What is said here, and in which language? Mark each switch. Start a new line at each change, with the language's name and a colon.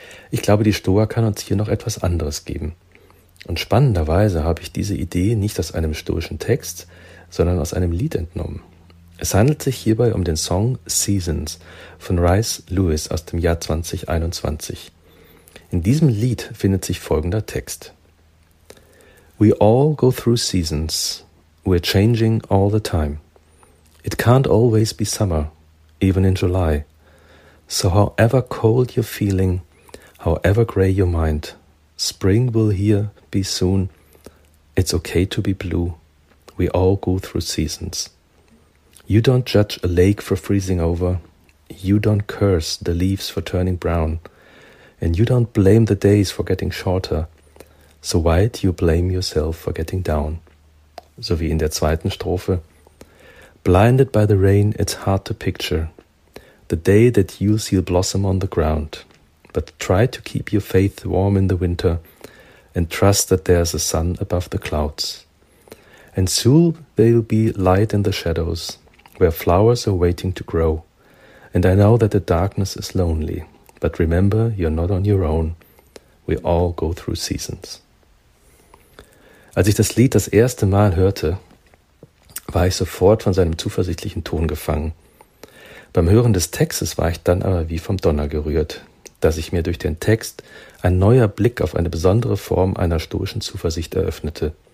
German: Ich glaube, die Stoa kann uns hier noch etwas anderes geben. Und spannenderweise habe ich diese Idee nicht aus einem stoischen Text, sondern aus einem Lied entnommen. Es handelt sich hierbei um den Song Seasons von Rice Lewis aus dem Jahr 2021. In diesem Lied findet sich folgender Text.
English: We all go through seasons. We're changing all the time. It can't always be summer, even in July. So however cold you're feeling, however gray your mind, spring will here be soon. It's okay to be blue. We all go through seasons. You don't judge a lake for freezing over. You don't curse the leaves for turning brown. And you don't blame the days for getting shorter. So why do you blame yourself for getting down?
German: So wie in der zweiten Strophe.
English: Blinded by the rain, it's hard to picture the day that you see'll blossom on the ground. But try to keep your faith warm in the winter and trust that there's a sun above the clouds. And soon there'll be light in the shadows where flowers are waiting to grow. And I know that the darkness is lonely, but remember, you're not on your own. We all go through seasons.
German: Als ich das Lied das erste Mal hörte, war ich sofort von seinem zuversichtlichen Ton gefangen. Beim Hören des Textes war ich dann aber wie vom Donner gerührt, da sich mir durch den Text ein neuer Blick auf eine besondere Form einer stoischen Zuversicht eröffnete.